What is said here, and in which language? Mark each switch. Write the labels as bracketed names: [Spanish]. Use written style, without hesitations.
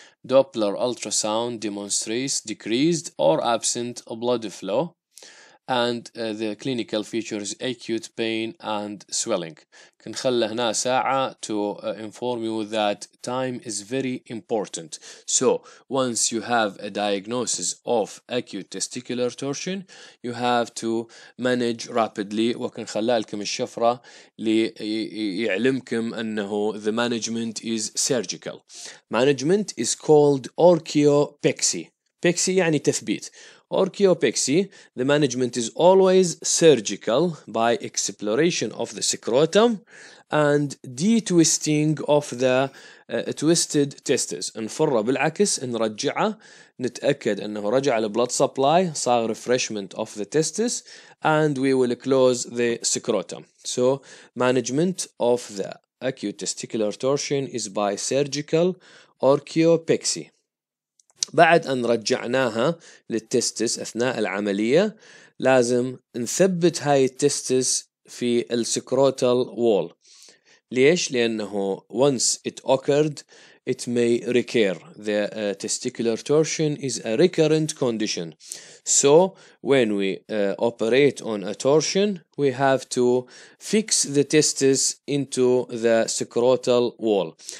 [English] Doppler ultrasound demonstrates decreased or absent blood flow, and the clinical features acute pain and swelling. [Arabic] كنخلي هنا ساعة [English] to inform you that time is very important. So once you have a diagnosis of acute testicular torsion, you have to manage rapidly. [Arabic] وكنخلي لكم الشفرة ليعلمكم أنه [English] the management is surgical. Management is called orchiopexy. [Arabic] Pexy يعني تثبيت. [English] Orchiopexy, the management is always surgical by exploration of the scrotum and detwisting of the twisted testis. [Arabic] نفره بالعكس, نرجعه, نتأكد أنه رجع [English] blood supply, [Arabic] صار [English] refreshment of the testis, and we will close the scrotum. So, management of the acute testicular torsion is by surgical orchiopexy. [Arabic] بعد أن رجعناها للتستس أثناء العملية, لازم نثبت هاي التستس في السكروتال وول. ليش؟ لأنه [English] once it occurred, it may recur. The testicular torsion is a recurrent condition. So when we operate on a torsion, we have to fix the testis into the scrotal wall.